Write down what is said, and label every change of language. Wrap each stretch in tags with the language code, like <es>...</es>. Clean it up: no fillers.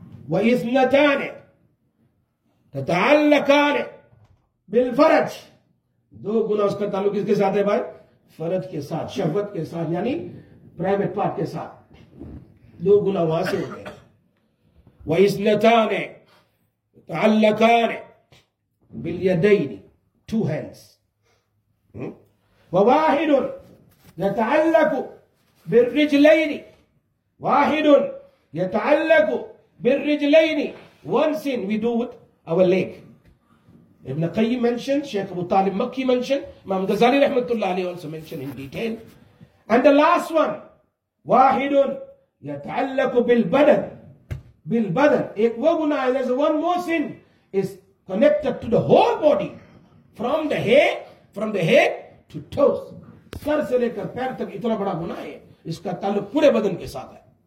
<ar>واثنتان تتعلقان بالفرج.</ar> <ur>2 گناہ اس کا تعلق کس کے ساتھ ہے بھائی؟ فرج کے ساتھ, شہوت کے ساتھ, یعنی پرائیویٹ پارٹ کے ساتھ. 2 گناہ وہاں سے ہو گئے.</ur> <ar>واثنتان تتعلقان باليدين,</ar> <en>2 hands.</en> <ar>وواحد يتعلق بالرجلين, واحد يتعلق بِالرِّجْلَيْنِ.</ar> <en>1 sin we do with our leg. Ibn Qayyim mentioned, Shaykh Abu Talib Makki mentioned, Imam Ghazali rahmatullah alayhi also mentioned in detail. And the last one,</en> <ar>وَاحِدٌ يَتَعَلَّقُ بِالْبَدَنِ. بِالْبَدَنِ.</ar> <en>There's 1 more sin is connected to the whole body. From the head to toes.</en> <ur>سر سے لے کر پیر تک اتنا بڑا گناہ ہے. اس کا تعلق پورے بدن کے ساتھ ہے.</ur>